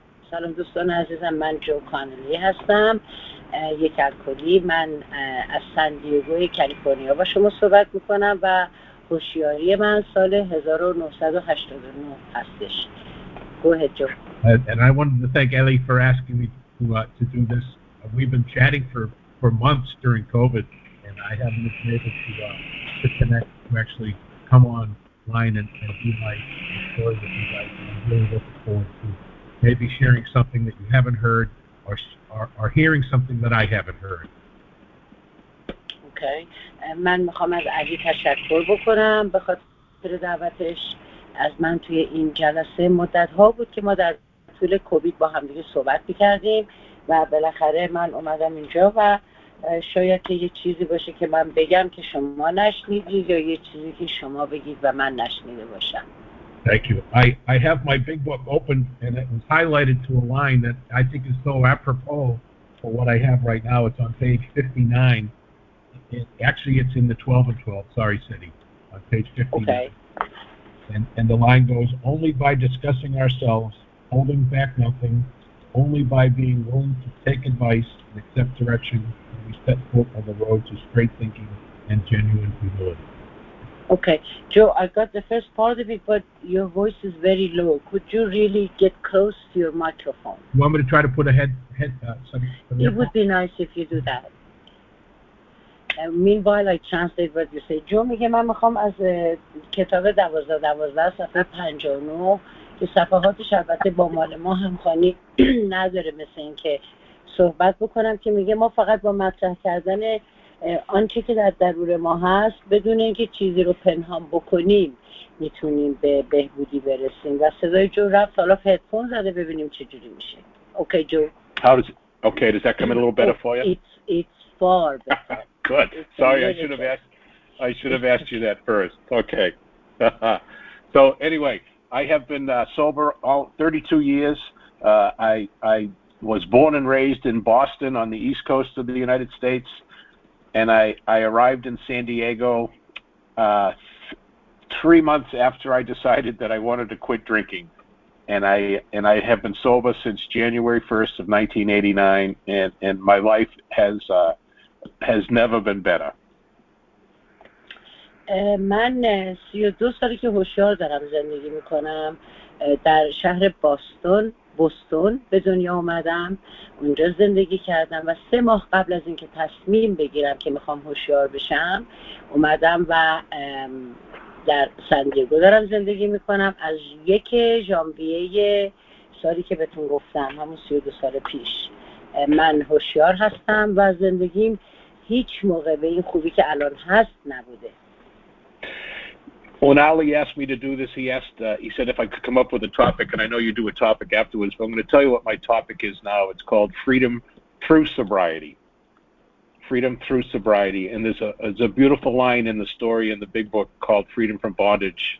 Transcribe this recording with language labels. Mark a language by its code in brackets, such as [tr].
[fa] سلام دوستان عزیزم، من جو کانلی هستم، یک الکلی. من از سان دیگو کالیفرنیا با شما صحبت میکنم و هوشیاری من سال 1989 هستش. [en] Go ahead, Joe. And I wanted to thank Ellie for asking me to do this. We've been chatting for months during COVID, and I haven't been able to connect, to actually come online and do my story with you guys. I'm really looking forward to maybe sharing something that you haven't heard or hearing something that I haven't heard. Okay. [fa] من میخوام از علی تشکر بکنم به خاطر دعوتش از من توی این جلسه. مدت ها بود که ما در طول کووید با هم دیگه صحبت میکردیم و بالاخره من اومدم اینجا و شاید که یه چیزی باشه که من بگم که شما نشنیدید یا یه چیزی که شما بگید و من نشنیده باشم. [en] Thank you. I have my big book open and it was highlighted to a line that I think is so apropos for what I have right now. It's on page 59. Actually, it's in the 12 and 12. Sorry, Cindy. On page 59. Okay. And the line goes, only by discussing ourselves, holding back nothing, only by being willing to take advice and accept direction, and we set foot on the road to straight thinking and genuine humility. Okay, Joe, I got the first part of it, but your voice is very low. Could you really get close to your microphone? You want me to try to put a head It would be nice if you do that. And meanwhile, I translate what you say. [fa] Joe, میگه من میخوام از کتاب 12-12 صفحه 59 که صفحاتش البته با مال ما همخوانی نداره مثل این که صحبت بکنم، که میگه ما فقط با مطرح کردن آنچه که در درون ما هست بدون اینکه چیزی رو پنهان بکنیم میتونیم به بهبودی برسیم. و صدای جو رفت، حالا هدفون زده ببینیم چجوری میشه. [en] Okay Joe. Okay, does that come in a little better for you? It's far better. Good. Sorry, I should have asked you that first. Okay. So anyway, I have been sober all 32 years. I was born and raised in Boston on the east coast of the United States, and I arrived in San Diego 3 months after I decided that I wanted to quit drinking. And I have been sober since January 1st of 1989, and my life has never been better. [fa] من 32 سالی که هوشیار دارم زندگی میکنم. در شهر بوستون به دنیا اومدم، اونجا زندگی کردم و 3 ماه قبل از اینکه تصمیم بگیرم که میخوام هوشیار بشم اومدم و در سان دیگو دارم زندگی میکنم. از 1 ژانویه سالی که بهتون گفتم، همون 32 سال پیش، من هوشیار هستم و زندگیم هیچ موقع به این خوبی که الان هست نبوده. [en] When Ali asked me to do this, he said if I could come up with a topic, and I know you do a topic afterwards, but I'm going to tell you what my topic is now. It's called Freedom Through Sobriety. Freedom Through Sobriety. And there's a beautiful line in the story in the big book called Freedom from Bondage.